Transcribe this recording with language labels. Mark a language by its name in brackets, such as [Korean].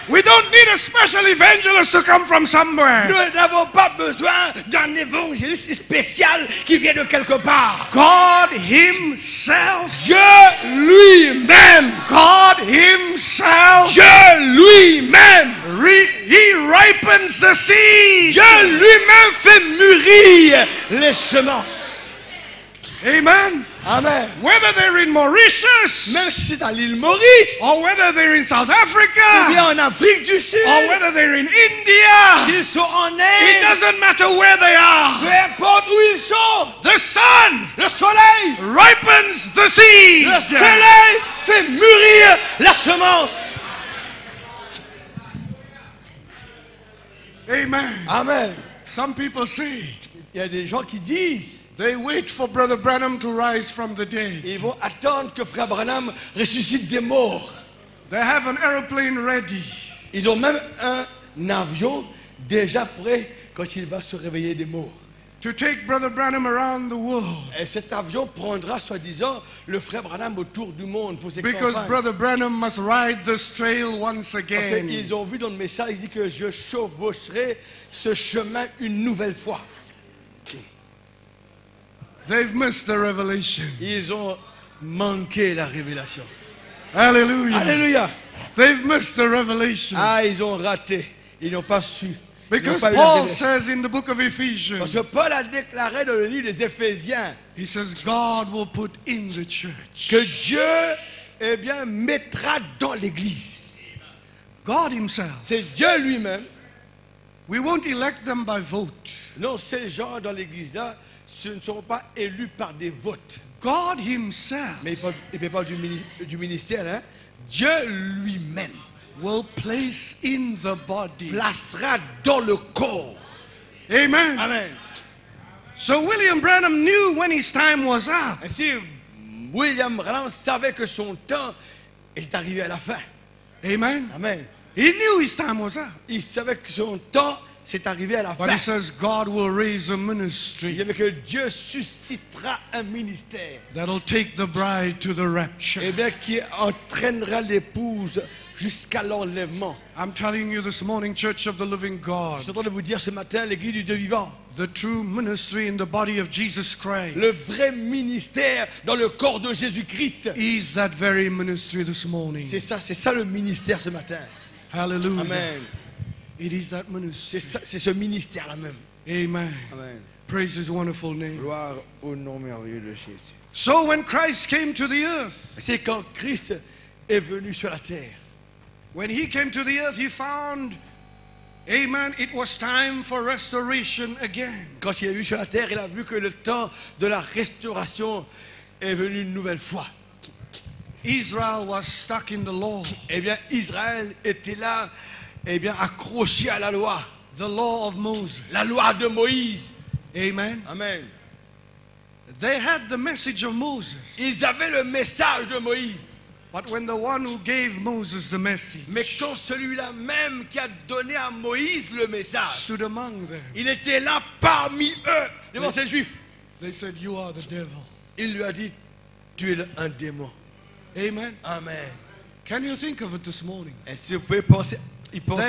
[English] We don't need a special evangelist to come from somewhere. [French] Nous n'avons pas besoin d'un évangéliste spécial qui vient de quelque part. [English] God himself. [French] Dieu lui-même. [English] God himself. [French] Dieu lui-même. [English] He ripens the seed. [French] Dieu lui-même fait mûrir les semences. [English] Amen. [French] Amen. [English] Whether they're in Mauritius, [French] même si c'est à l'île Maurice, [English] or whether they're in South Africa, [French] ou bien en Afrique du Sud, [English] or whether they're in India, [French] s'ils sont en Inde, [English] it doesn't matter where they are, [French] peu importe où ils sont, [English] the sun, [French] le soleil, [English] ripens the seed, [French] le soleil fait mûrir la semence. [English] Amen. [French] Amen. [English] Some people say, [French] il y a des gens qui disent, [English] they wait for Brother Branham to rise from the dead. [French] Ils vont attendre que Frère Branham ressuscite des morts. [English] They have an aeroplane ready. [French] Ils ont même un avion déjà prêt quand il va se réveiller des morts. [English] To take Brother Branham around the world. [French] Et cet avion prendra, soi-disant, le frère Branham autour du monde pour ses campagnes. [English] Because Brother Branham must ride this trail once again. [French] Parce qu'ils ont vu dans le message, il dit que je chevaucherai ce chemin une nouvelle fois. [English] They've missed the revelation. [French] Ils ont manqué la révélation. Alléluia. Alléluia. [English] They've missed the revelation. [French] Ah, ils ont raté. Ils n'ont pas su. [English] Because Paul says in the book of Ephesians, [French] parce que Paul a déclaré dans le livre des Éphésiens, [English] he says God will put in the church, [French] que Dieu eh bien mettra dans l'église. [English] God himself, [French] c'est Dieu lui-même. [English] We won't elect them by vote. [French] Non, ces gens dans l'église là, ce ne seront pas élus par des votes. [English] God himself, [French] mais il parle du ministère, hein? Dieu lui-même [English] will place in the body, [French] placera dans le corps. [English] Amen. [French] Amen. [English] So William Branham knew when his time was up. [French] Et si William Branham savait que son temps est arrivé à la fin. [English] Amen. [French] Amen. [English] He knew his time was up. [French] Il savait que son temps s'est arrivé à la fin. [English] But he says God will raise a ministry. [French] Il dit que Dieu suscitera un ministère. [English] That'll take the bride to the rapture. [French] Et bien qui entraînera l'épouse jusqu'à l'enlèvement. [English] I'm telling you this morning, Church of the Living God. [French] Je suis en train de vous dire ce matin, l'Église du Dieu vivant. [English] The true ministry in the body of Jesus Christ. [French] Le vrai ministère dans le corps de Jésus-Christ. [English] Is that very ministry this morning? [French] C'est ça le ministère ce matin. [English] Hallelujah. [French] Amen. [English] It is that ministry. [French] C'est ce ministère là même. [English] Amen. [French] Amen. [English] Praise His wonderful name. [French] Gloire au nom merveilleux de Jésus. [English] So when Christ came to the earth, [French] c'est quand Christ est venu sur la terre. [English] When he came to the earth, he found, amen, it was time for restoration again. [French] Quand il est venu sur la terre, il a vu que le temps de la restauration est venu une nouvelle fois. [English] Israel was stuck in the law. [French] Eh bien, Israël était là, eh bien, accroché à la loi. [English] The law of Moses. [French] La loi de Moïse. [English] Amen. [French] Amen. [English] They had the message of Moses. [French] Ils avaient le message de Moïse. [English] But when the one who gave Moses the message, [French] mais quand celui-là même qui a donné à Moïse le message, [English] stood among them, [French] il était là parmi eux, devant ces Juifs, [English] they said, "You are the devil." [French] Il lui a dit, tu es un démon. [English] Amen. [French] Amen. [English] Can you think of it this morning? [French] Est-ce que vous pouvez penser, ils pensaient